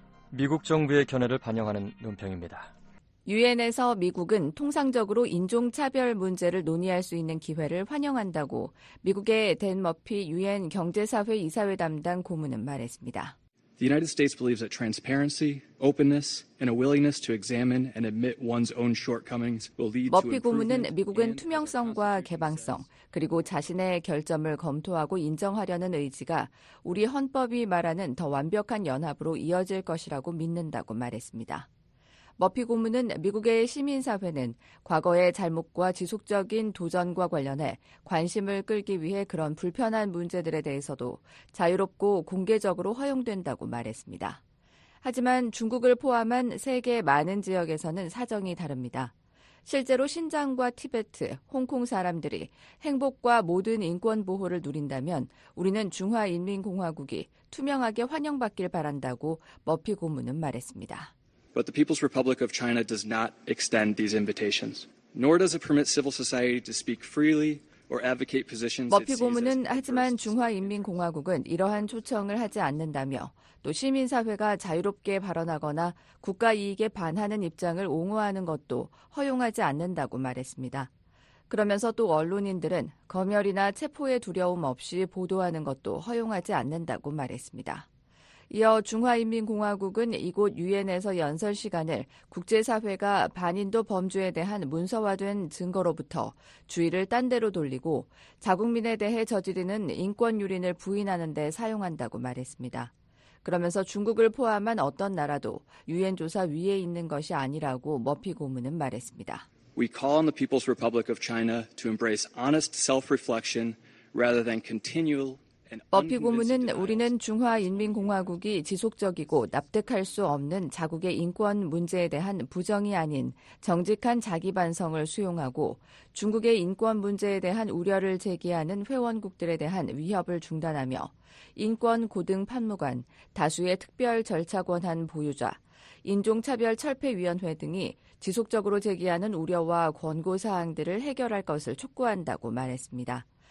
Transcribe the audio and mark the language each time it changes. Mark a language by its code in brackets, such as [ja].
[ko] 미국 정부의 견해를 반영하는 논평입니다. 유엔에서 미국은 통상적으로 인종차별 문제를 논의할 수 있는 기회를 환영한다고 미국의 댄 머피 유엔 경제사회 이사회 담당 고문은 말했습니다. [en] The United States believes that transparency, openness, and a willingness to examine and admit one's own shortcomings will lead to [ko] 머피 고문은 미국은 투명성과 개방성 그리고 자신의 결점을 검토하고 인정하려는 의지가 우리 헌법이 말하는 더 완벽한 연합으로 이어질 것이라고 믿는다고 말했습니다. 머피 고문은 미국의 시민사회는 과거의 잘못과 지속적인 도전과 관련해 관심을 끌기 위해 그런 불편한 문제들에 대해서도 자유롭고 공개적으로 허용된다고 말했습니다. 하지만 중국을 포함한 세계 많은 지역에서는 사정이 다릅니다. 실제로 신장과 티베트, 홍콩 사람들이 행복과 모든 인권 보호를 누린다면 우리는 중화인민공화국이 투명하게 환영받길 바란다고 머피 고문은 말했습니다. [en] But the People's Republic of China does not extend these invitations, nor does it permit civil society to speak freely or advocate positions. [ko] 머피 고문은 하지만 중화인민공화국은 이러한 초청을 하지 않는다며 또 시민사회가 자유롭게 발언하거나 국가 이익에 반하는 입장을 옹호하는 것도 허용하지 않는다고 말했습니다. 그러면서 또 언론인들은 검열이나 체포의 두려움 없이 보도하는 것도 허용하지 않는다고 말했습니다. 이어 중화인민공화국은 이곳 유엔에서 연설 시간을 국제사회가 반인도 범죄에 대한 문서화된 증거로부터 주의를 딴 데로 돌리고 자국민에 대해 저지르는 인권유린을 부인하는 데 사용한다고 말했습니다. 그러면서 중국을 포함한 어떤 나라도 유엔 조사 위에 있는 것이 아니라고 머피 고문은 말했습니다. [en] We call on the People's Republic of China to embrace honest self-reflection rather than continual [ko] 머피 고문은 우리는 중화인민공화국이 지속적이고 납득할 수 없는 자국의 인권 문제에 대한 부정이 아닌 정직한 자기 반성을 수용하고 중국의 인권 문제에 대한 우려를 제기하는 회원국들에 대한 위협을 중단하며 인권 고등 판무관, 다수의 특별 절차 권한 보유자, 인종차별 철폐위원회 등이 지속적으로 제기하는 우려와 권고 사항들을 해결할 것을 촉구한다고 말했습니다.